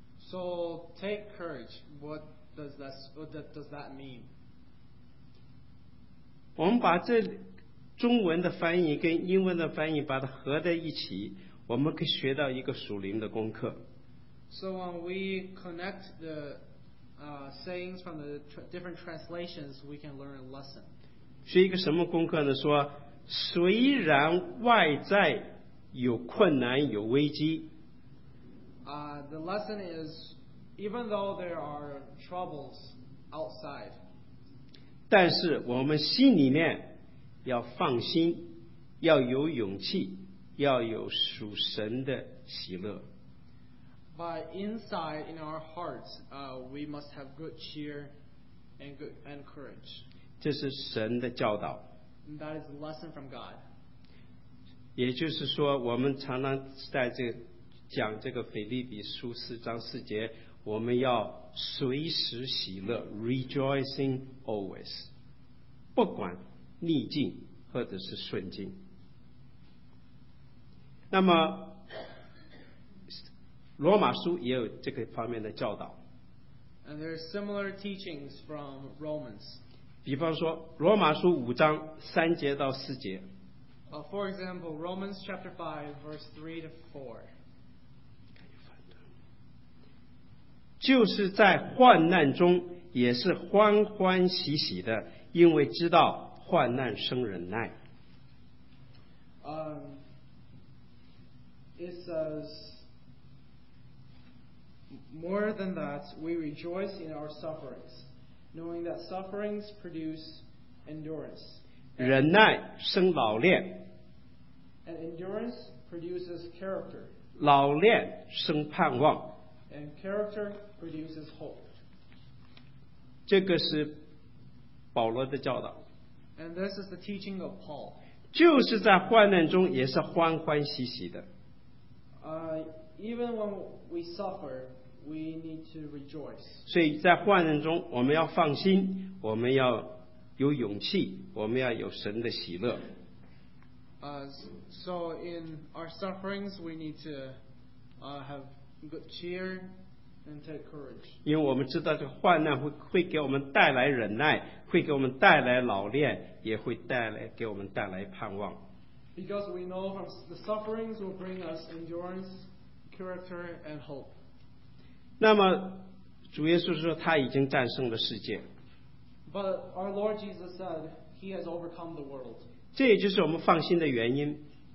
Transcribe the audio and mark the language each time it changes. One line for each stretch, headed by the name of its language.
English: So take courage. What does that mean?
Chinese: 我们把这中文的翻译跟英文的翻译把它合在一起，我们可以学到一个属灵的功课。
English: So when we connect the sayings from the different translations, we can learn a lesson.
Chinese: 学一个什么功课呢？说虽然外在有困难有危机。
English: The lesson is, even though there are troubles outside.
Chinese: 但是我们心里面要放心，要有勇气，要有属神的喜乐。
English: But inside in our hearts, we must have good cheer and courage.
Chinese: 这是神的教导。
English: And that is a lesson from God.
Chinese: 也就是说，我们常常在这讲这个腓立比书四章四节，我们要随时喜乐 ，
English: rejoicing always，
Chinese: 不管逆境或者是顺境。那么。罗马书也有这个方面的教导。
English: And there are similar teachings from Romans.
Chinese: 比方说，罗马书五章三节到四节。
English: For example, Romans chapter 5, verse 3 to 4.
Chinese: 就是在患难中也是欢欢喜喜的，因为知道患难生忍耐。
English: It says,More than that, we rejoice in our sufferings, knowing that sufferings produce endurance.
Chinese: 忍耐生老练。
English: And endurance produces character.
Chinese: 老练生盼望。
English: And character produces hope.
Chinese: 这个是保罗的教导。
English: And this is the teaching of Paul.
Chinese: 就是在患难中也是欢欢喜喜的。
English: Even when we suffer,We need to rejoice.
Chinese: 所以在患难中我们要放心，我们要有勇气，我们要有神的喜乐。
English: So in our sufferings we need to have good cheer and take courage.
Chinese: 因为我们知道这个患难 会给我们带来忍耐，会给我们带来老练，也会带来给我们带来盼望。
English: Because we know the sufferings will bring us endurance, character and hope.
Chinese: 那么主耶稣说他已经战胜了世界。
English: But our Lord Jesus said he has overcome the world.
Chinese: 这也就是我们放心的原因。